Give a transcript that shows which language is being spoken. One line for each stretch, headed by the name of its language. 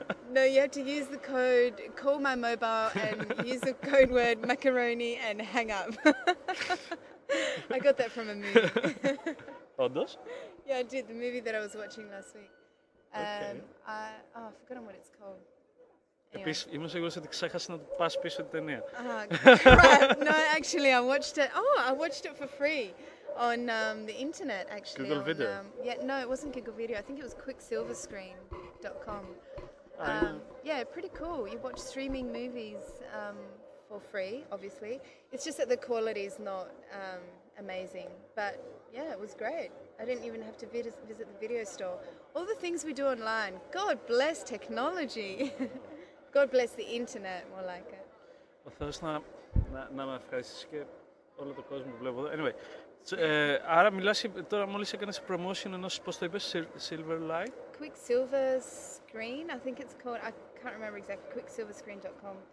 English: No, you have to use the code, call my mobile and use the code word macaroni and hang up. I got that from a movie. Odos? Yeah, I did. The movie that I was watching last week. Okay. I've forgotten what it's called.
Greek: Επίσης, είμαι σίγουρος ότι ξέχασα να πας πίσω την ταινία.
English: No, actually, I watched it. Oh, I watched it for free on the internet, actually. Google Video. No, it wasn't Google Video. I think it was quicksilverscreen.com. Yeah, pretty cool. You watch streaming movies for free, obviously. It's just that the quality is not amazing. But yeah, it was great. I didn't even have to visit the video store. All the things we do online, God bless technology. God bless the internet, more like it.
Greek: Ο Θεός να με ευχαριστήσει και όλο τον κόσμο βλέπω εδώ. Anyway. Άρα μιλάς τώρα, μόλις έκανες promotion ενός, πώς το είπες, Silver Light?
English: Quicksilver Screen, I think it's called, I can't remember exactly, quicksilverscreen.com.